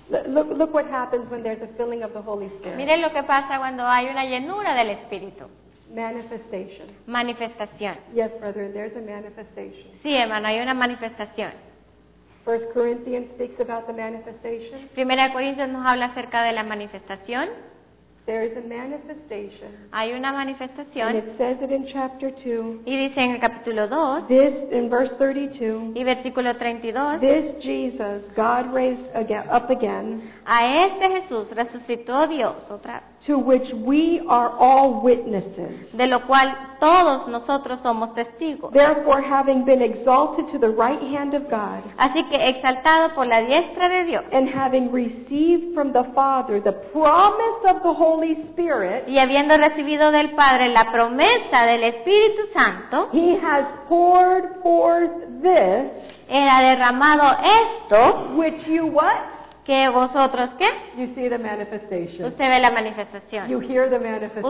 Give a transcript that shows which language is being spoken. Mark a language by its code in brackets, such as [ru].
[en] Look what happens when there's a filling of the Holy Spirit. [es] Miren lo que pasa cuando hay una llenura del Espíritu. [en] Manifestation. [es] Manifestación. [en] Yes, brother, there's a manifestation. [es] Sí, hermano, hay una manifestación. [en] 1 Corinthians speaks about the manifestation. [es] Primera Corintios nos habla acerca de la manifestación. [en] There is a manifestation. [es] Hay una manifestación. [en] And it says it in chapter 2. [es] Y dice en el capítulo 2. [en] This in verse 32. [es] Y versículo 32. [en] This Jesus God raised again, up again. [es] A este Jesús resucitó Dios otra. [en] To which we are all witnesses. [es] De lo cual todos nosotros somos testigos. [en] Therefore, having been exalted to the right hand of God. [es] Así que exaltado por la diestra de Dios. [en] And having received from the Father the promise of the Holy Spirit. [es] Y habiendo recibido del Padre la promesa del Espíritu Santo. [en] He has poured forth this. [es] Él ha derramado esto. [en] Which you what? [es] Que vosotros, ¿qué? [en] You see the manifestation. [es] Usted ve la manifestación. [en] You hear the manifestation.